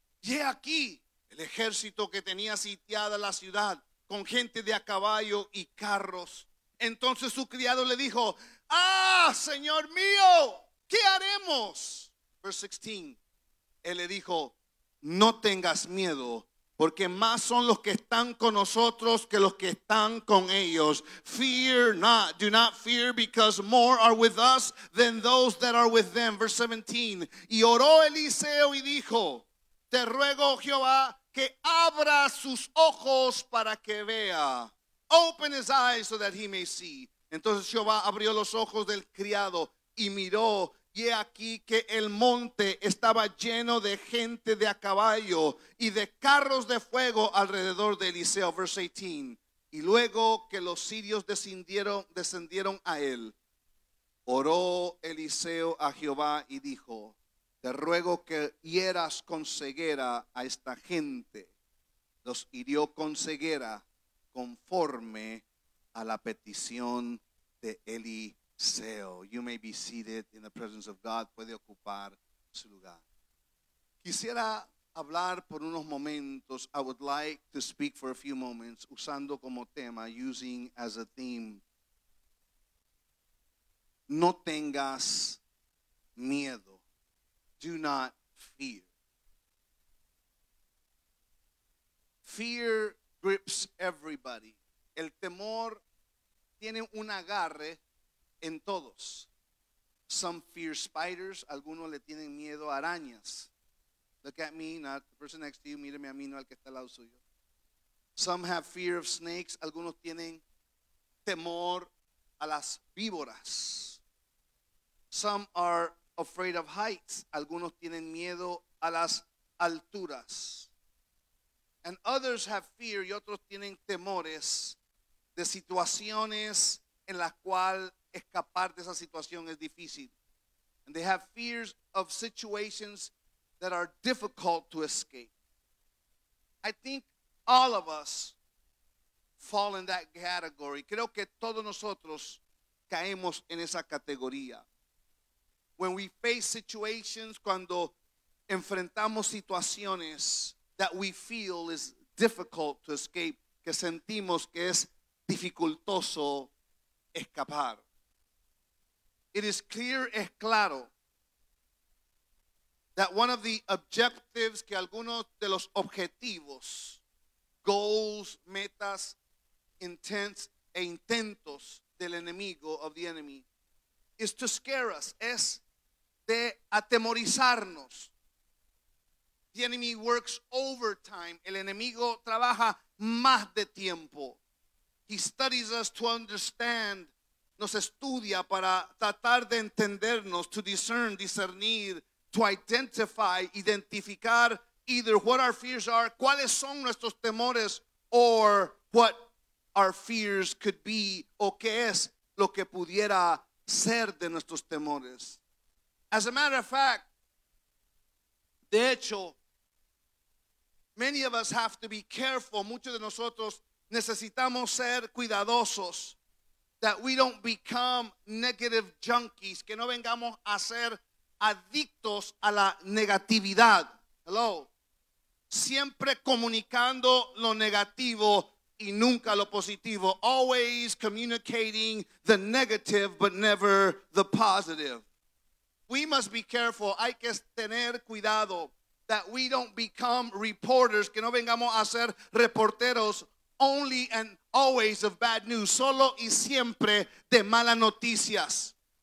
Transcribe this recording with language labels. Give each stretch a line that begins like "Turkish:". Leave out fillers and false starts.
Spanish: Y he aquí el ejército que tenía sitiada la ciudad con gente de a caballo y carros. Entonces su criado le dijo, ¡ah, señor mío! ¿Qué haremos?
English: Verse 16.
Spanish: Él le dijo, no tengas miedo, porque más son los que están con nosotros que los que están con ellos.
English: Fear not, do not fear, because more are with us than those that are with them. Verse 17.
Spanish: Y oró Eliseo y dijo, te ruego, Jehová, que abra sus ojos para que vea.
English: Open his eyes so that he may see.
Spanish: Entonces Jehová abrió los ojos del criado y miró, y he aquí que el monte estaba lleno de gente de a caballo y de carros de fuego alrededor de Eliseo.
English: Verse 18.
Spanish: Y luego que los sirios descendieron a él, oró Eliseo a Jehová y dijo, te ruego que hieras con ceguera a esta gente. Los hirió con ceguera conforme a la petición de Eliseo.
English: You may be seated in the presence of God.
Spanish: Puede ocupar su lugar. Quisiera hablar por unos momentos.
English: I would like to speak for a few moments
Spanish: usando como tema,
English: using as a theme.
Spanish: No tengas miedo.
English: Do not fear. Fear grips everybody.
Spanish: El temor tiene un agarre en todos.
English: Some fear spiders.
Spanish: Algunos le tienen miedo a arañas.
English: Look at me, not the person next to you.
Spanish: Míreme a mí, no al que está al lado suyo.
English: Some have fear of snakes.
Spanish: Algunos tienen temor a las víboras.
English: Some are afraid of heights.
Spanish: Algunos tienen miedo a las alturas.
English: And others have fear,
Spanish: y otros tienen temores de situaciones en las cuales escapar de esa situación es difícil.
English: And they have fears of situations that are difficult to escape. I think all of us fall in that category.
Spanish: Creo que todos nosotros caemos en esa categoría.
English: When we face situations,
Spanish: cuando enfrentamos situaciones
English: that we feel is difficult to escape,
Spanish: que sentimos que es dificultoso escapar.
English: It is clear,
Spanish: es claro,
English: that one of the objectives,
Spanish: que algunos de los objetivos,
English: goals,
Spanish: metas,
English: intents,
Spanish: e intentos del enemigo,
English: of the enemy, is to scare us,
Spanish: es de atemorizarnos.
English: The enemy works overtime.
Spanish: El enemigo trabaja más de tiempo.
English: He studies us to understand.
Spanish: Nos estudia para tratar de entendernos,
English: to discern,
Spanish: discernir,
English: to identify,
Spanish: identificar
English: either what our fears are,
Spanish: cuáles son nuestros temores,
English: or what our fears could be,
Spanish: o qué es lo que pudiera ser de nuestros temores.
English: As a matter of fact,
Spanish: de hecho,
English: many of us have to be careful.
Spanish: Muchos de nosotros necesitamos ser cuidadosos,
English: that we don't become negative junkies,
Spanish: que no vengamos a ser adictos a la negatividad.
English: Hello.
Spanish: Siempre comunicando lo negativo y nunca lo positivo.
English: Always communicating the negative but never the positive. We must be careful.
Spanish: Hay que tener cuidado
English: that we don't become reporters,
Spanish: que no vengamos a ser reporteros
English: only and always of bad news,
Spanish: solo y siempre de malas noticias.